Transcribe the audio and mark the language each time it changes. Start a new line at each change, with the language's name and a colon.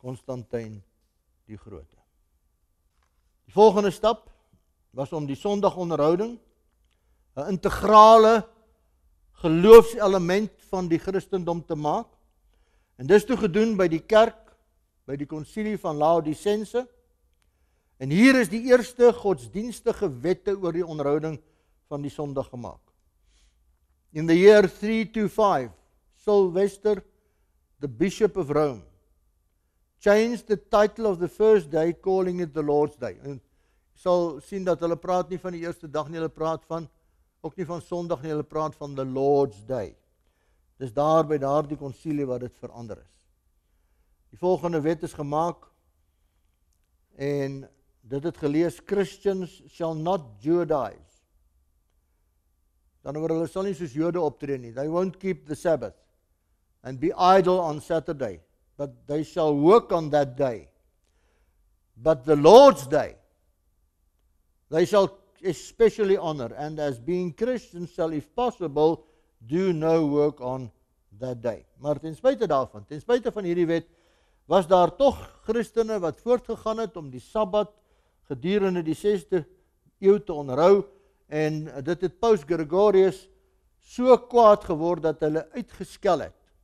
Afrikaans: Constantine die Grote. Die volgende stap was om die Sondagonderhouding, 'n integrale geloofselement van die Christendom te maak, en dis toe gedoen by die kerk, by die konsilie van Laodicense, en hier is die eerste godsdienstige wette oor die onderhouding van die Sondag gemaak.
English: In the year 325, Sylvester, the Bishop of Rome, changed the title of the first day, calling it the Lord's Day.
Afrikaans: En sal sien dat hulle praat nie van die eerste dag nie, hulle praat van, ook nie van Sondag nie, hulle praat van the Lord's Day. Dis daar by daar die konsilie wat dit verander is. Die volgende wet is gemaak en dit het gelees,
English: Christians shall not Judaize.
Afrikaans: Dan oor hulle sal nie soos Jode optree nie.
English: They won't keep the Sabbath and be idle on Saturday, but they shall work on that day. But the Lord's Day, they shall especially honor, and as being Christians shall, if possible, do no work on that day.
Afrikaans: Maar ten spyte daarvan, ten spyte van hierdie wet, was daar toch Christene wat voortgegaan het om die Sabbat gedurende die 6de eeuw te onrou, en dit het Paus Gregorius so kwaad geword dat hulle uitgeskel het.